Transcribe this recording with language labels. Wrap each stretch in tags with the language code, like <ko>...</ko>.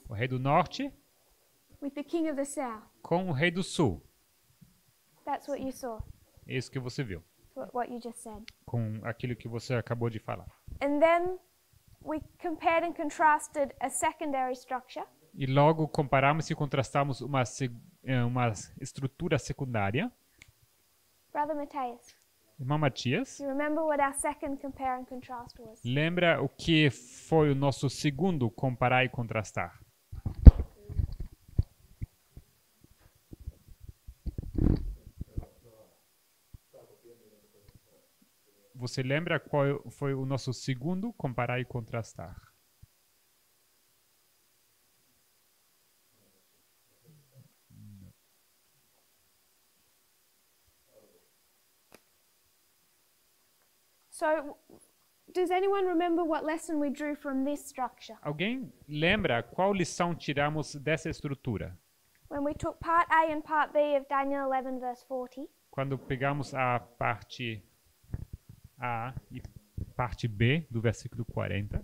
<pt>O rei do norte.</pt> <en>With the king of the south.</en> <pt>Com o rei do sul.</pt> <en>That's what you saw.</en> <pt>Isso que você viu.</pt> <en>What you just said.</en> <pt>Com aquilo que você acabou de falar.</pt> <en>And then we compared and contrasted a secondary structure.</en> <pt>E logo comparamos e contrastamos uma estrutura secundária.</pt> <en>Brother Matthias.</en> <pt>Irmão Matias.</pt> <en>You remember what our second compare and contrast was?</en> <pt>Lembra o que foi o nosso segundo comparar e contrastar? Você lembra qual foi o nosso segundo comparar e contrastar?</pt> <en>So, does anyone remember what lesson we drew from this structure?</en> <pt>Alguém lembra qual lição tiramos dessa estrutura?</pt> <en>When we took part A and part B of Daniel 11 verse 40.</en> <pt>Quando pegamos a parte A e parte B do versículo 40.</pt>